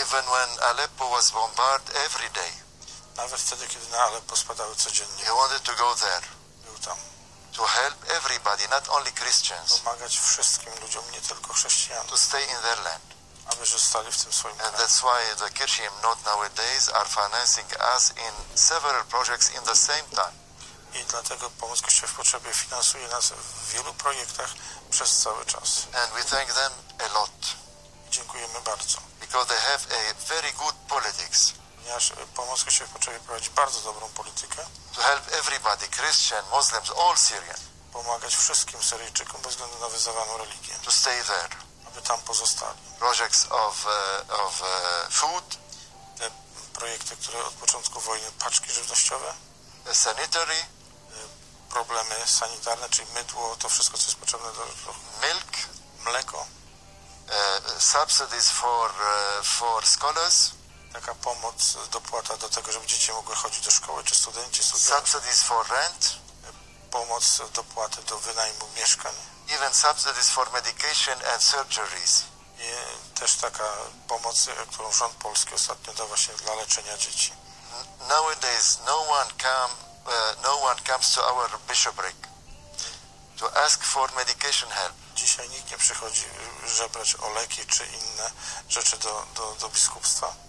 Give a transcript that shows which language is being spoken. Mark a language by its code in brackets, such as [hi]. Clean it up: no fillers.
[en] Even when Aleppo was bombarded every day. [pl] Nawet wtedy, kiedy na Aleppo spadały codziennie. [en] He wanted to go there. [pl] Był tam. [en] To help everybody, not only Christians. [pl] Pomagać wszystkim ludziom, nie tylko chrześcijanom. [en] To stay in their land. [pl] Aby zostali w tym swoim kraju. [en] And that's why the Kirchheim not nowadays are financing us in several projects in the same time. [pl] I dlatego pomoc Kościoła w potrzebie finansuje nas w wielu projektach przez cały czas. [en] And we thank them a lot. [pl] Dziękujemy bardzo. [en] Because they have a very good politics. [pl] Ponieważ pomocy się potrzebuje prowadzić bardzo dobrą politykę. [en] To help everybody, Christian, Muslims, all Syrian. [pl] Pomagać wszystkim Syryjczykom bez względu na wyznawaną religię. [en] To stay there. [pl] Aby tam pozostali. [en] Projects of food. [pl] Te projekty, które od początku wojny, paczki żywnościowe. [en] The sanitary. [pl] Problemy sanitarne, czyli mydło, to wszystko, co jest potrzebne do [en] milk, [pl] mleko, [en] subsidies for scholars, [pl] taka pomoc, dopłata do tego, żeby dzieci mogły chodzić do szkoły, czy studenci, [en] subsidies for rent, [pl] pomoc, dopłaty do wynajmu mieszkań, [en] even subsidies for medication and surgeries, [pl] i też taka pomoc, którą rząd polski ostatnio dał właśnie dla leczenia dzieci. [en] Nowadays no one come. No one comes to our bishopric to ask for medication help. [pl] Dzisiaj nikt nie przychodzi żebrać o leki czy inne rzeczy do biskupstwa.